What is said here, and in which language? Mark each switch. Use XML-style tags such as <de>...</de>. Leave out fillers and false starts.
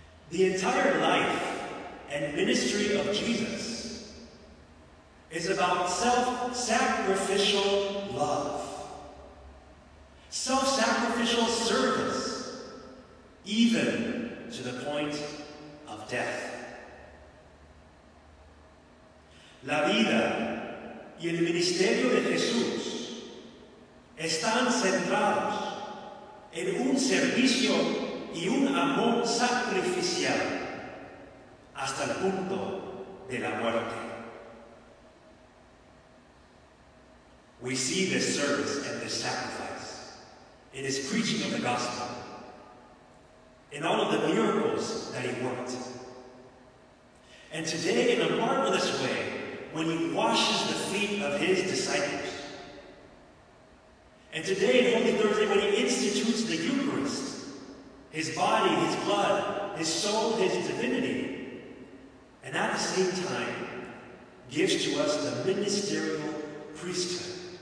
<en>The entire life and ministry of Jesus is about self-sacrificial love, self-sacrificial service, even to the point of death.</en> <es>La vida y el ministerio de Jesús están centrados en un servicio y un amor sacrificial hasta el punto de la muerte.</es> <en>We see this service and this sacrifice in his preaching of the gospel, in all of the miracles that he worked. And today, in a marvelous way, when he washes the feet of his disciples, and today, in Holy Thursday, when he institutes the Eucharist, his body, his blood, his soul, his divinity, and at the same time gives to us the ministerial priesthood</en>